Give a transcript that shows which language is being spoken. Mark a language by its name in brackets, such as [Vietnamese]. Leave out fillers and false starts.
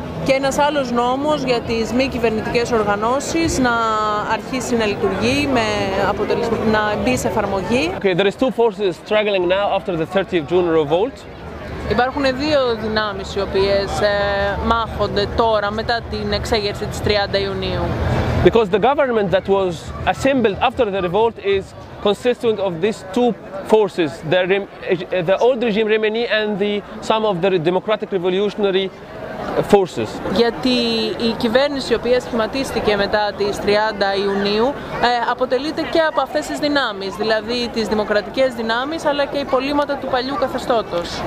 [Greek] Και ένας άλλος νόμος για τις μη κυβερνητικές οργανώσεις να αρχίσει να λειτουργεί με αποτελεσμα... να μπει σε εφαρμογή. [English] Okay, there is two forces struggling now after the 30th June revolt. [Greek] Υπάρχουν δύο δυνάμεις οι οποίες μάχονται τώρα μετά την εξέγερση της 30 Ιουνίου. [English] Because the government that was assembled after the revolt is consisting of these two forces, the old regime Remini and some of the democratic revolutionary forces. [Greek] Γιατί η κυβέρνηση η οποία σχηματίστηκε μετά τις 30 Ιουνίου αποτελείται και από αυτές τις δυνάμεις, δηλαδή τις δημοκρατικές δυνάμεις αλλά και οι πολλήματα του παλιού καθεστώτος.